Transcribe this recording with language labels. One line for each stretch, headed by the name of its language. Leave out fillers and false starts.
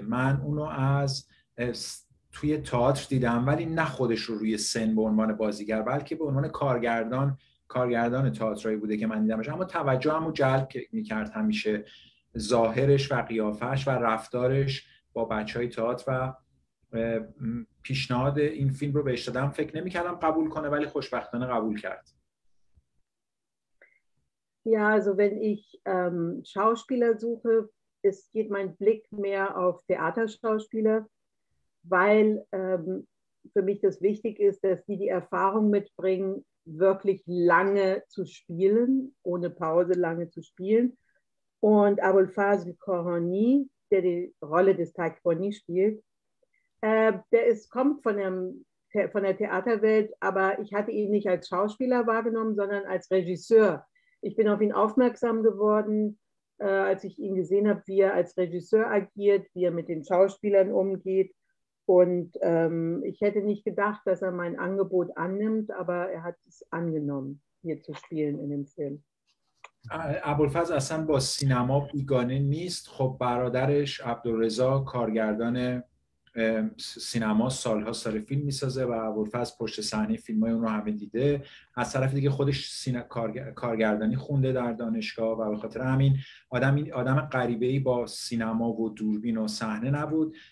Persian: من اونو از توی تئاتر دیدم، ولی نه خودش رو روی سن به عنوان بازیگر، بلکه به عنوان کارگردان تئاترایی بوده که من دیدمش. اما توجه همو جلب میکرد همیشه، ظاهرش و قیافش و رفتارش با بچهای تئاتر، و پیشنهاد این فیلم رو بهش دادم. فکر نمی‌کردم قبول کنه، ولی خوشبختانه قبول کرد.
German: Ja, also wenn ich Schauspieler suche, es geht mein Blick mehr auf Theaterschauspieler, weil für mich das wichtig ist, dass die Erfahrung mitbringen, wirklich lange zu spielen, ohne Pause lange zu spielen. Und Aboulfazl Kahani, der die Rolle des Taekwondo spielt, kommt von der Theaterwelt, aber ich hatte ihn nicht als Schauspieler wahrgenommen, sondern als Regisseur. Ich bin auf ihn aufmerksam geworden, als ich ihn gesehen habe, wie er als Regisseur agiert, wie er mit den Schauspielern umgeht. Und ich hätte nicht gedacht, dass er mein Angebot annimmt, aber er hat es angenommen, hier zu spielen in dem Film.
Persian: ابوالفضل اصلا با سینما بیگانه نیست. خب برادرش عبدالرضا کارگردان سینما سالها سال فیلم میسازه و عرفه از پشت صحنه فیلم های اون رو همه دیده، از طرف دیگه خودش کارگردانی خونده در دانشگاه و به خاطر همین آدم غریبه ای با سینما و دوربین و صحنه نبود.